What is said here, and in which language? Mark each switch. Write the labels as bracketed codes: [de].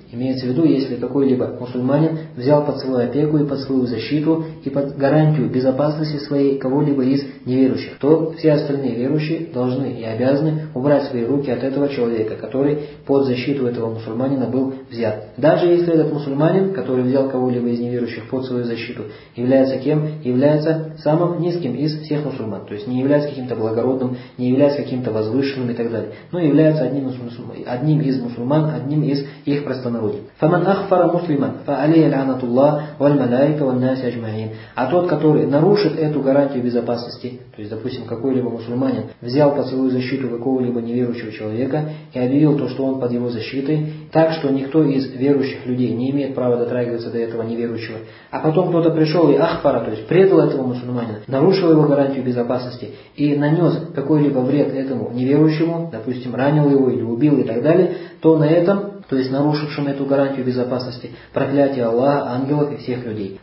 [ru] Имеется в виду, если какой-либо мусульманин взял под свою опеку и под свою защиту и под гарантию безопасности своей кого-либо из неверующих, то все остальные верующие должны и обязаны убрать свои руки от этого человека, который под защиту этого мусульманина был взят. Даже если этот мусульманин, который взял кого-либо из неверующих под свою защиту, является кем? Является самым низким из всех мусульман. То есть не является каким-то благородным, не является каким-то возвышенным и так далее. Но является одним из мусульман, одним из их простонародья. [ar] فمن أخفر مسلما فعليه لعنة الله والملائكة والناس أجمعين. [ru] А тот, который нарушит эту гарантию безопасности, то есть, допустим, какой-либо мусульманин взял под свою защиту какого-либо неверующего человека и объявил то, что он под его защитой, так что никто из верующих людей не имеет права дотрагиваться до этого неверующего. А потом кто-то пришел и ахфара, то есть предал этого мусульманина, нарушил его гарантию безопасности и нанес какой-либо вред этому неверующему, допустим, ранил его или убил и так далее, то на этом, то есть нарушившим эту гарантию безопасности, проклятие Аллаха, ангелов и всех людей.